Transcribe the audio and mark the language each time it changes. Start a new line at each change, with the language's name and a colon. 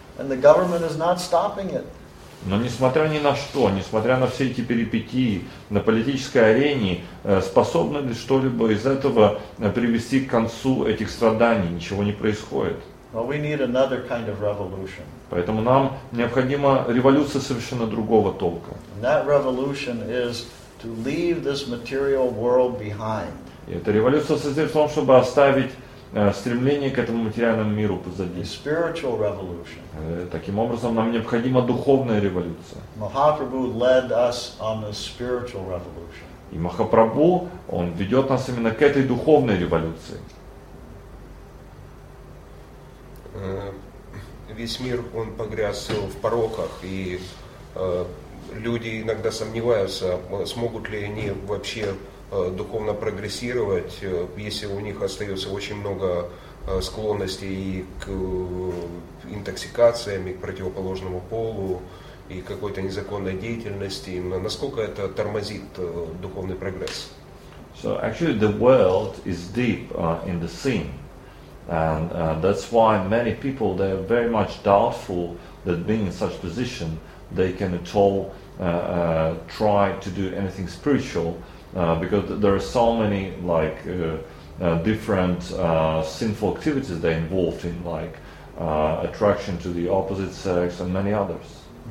English: And the government is not stopping it.
Russian: Но несмотря ни на что, несмотря на все эти перипетии на политической арене, способно ли что-либо из этого привести к концу этих страданий? Ничего не происходит.
English: Well, we need another kind of revolution.
Russian: Поэтому нам необходима революция совершенно другого толка.
English: And that revolution is to leave this material world behind.
Russian: И эта революция состоит в том, чтобы оставить стремление к этому материальному миру позади.
English: Spiritual revolution.
Russian: Таким образом, нам необходима духовная революция.
English: Mahaprabhu led us on the spiritual revolution.
Russian: И Махапрабху, он ведет нас именно к этой духовной революции. Весь мир, он погряз в пороках, и люди иногда сомневаются, смогут ли они вообще духовно прогрессировать, если у них остается очень много склонностей и к интоксикациям, и к противоположному полу, и к какой-то незаконной деятельности. Насколько это тормозит духовный прогресс?
English: So actually the world is deep in the sin. And that's why many people, they are very much doubtful that being in such position, they can at all try to do anything spiritual. Because there are so many like different sinful activities they're involved in, like attraction to the opposite sex and many others.